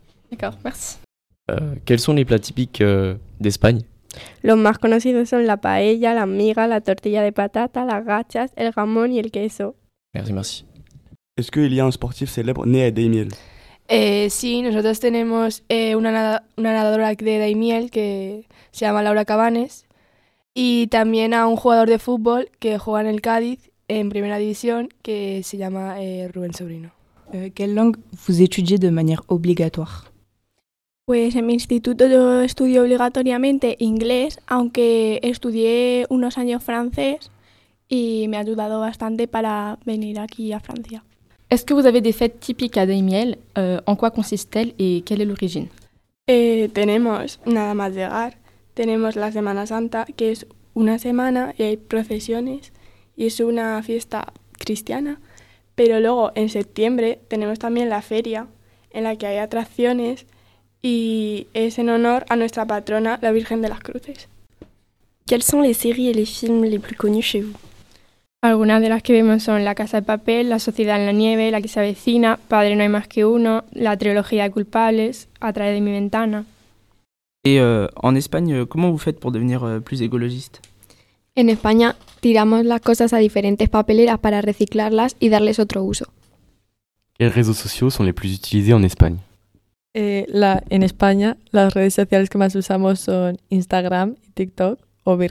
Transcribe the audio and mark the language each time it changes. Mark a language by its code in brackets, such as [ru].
[fr] D'accord, merci. Quels sont les plats typiques d'Espagne? [es] Los más conocidos son la paella, la migas, la tortilla de patata, las gachas, el jamón y el queso. [fr] Merci, merci. Est-ce qu'il y a un sportif célèbre né à Daimiel? [es] Sí, nosotros tenemos una nadadora de Daimiel que se llama Laura Cabanes y también a un jugador de fútbol que juega en el Cádiz en primera división que se llama Rubén Sobrino. [fr] ¿Quelle langue vous étudiez de manière obligatoire? [es] Pues en mi instituto yo estudié obligatoriamente inglés, aunque estudié unos años francés y me ha ayudado bastante para venir aquí a Francia. [fr] Est-ce que vous avez des fêtes typiques à Daimiel? En quoi consiste-t-elle et quelle est l'origine? [es] Tenemos nada más llegar, tenemos la Semana Santa, que es una semana y hay procesiones y es una fiesta cristiana. Pero luego en septiembre tenemos también la feria en la que hay atracciones y es en honor a nuestra patrona, la Virgen de las Cruces. [fr] Quelles sont les séries et les films les plus connus chez vous? [es] Algunas de las que vemos son La Casa de Papel, La Sociedad en la Nieve, La que se avecina, Padre no hay más que uno, la trilogía de culpables, A través de mi ventana. [fr] Et en Espagne, comment vous faites pour devenir plus écologiste? [es] En España tiramos las cosas a diferentes papeleras para reciclarlas y darles otro uso. [fr] Quels réseaux sociaux sont les plus utilisés en Espagne? [es] En España, las redes sociales que más usamos son Instagram, TikTok o Virreal.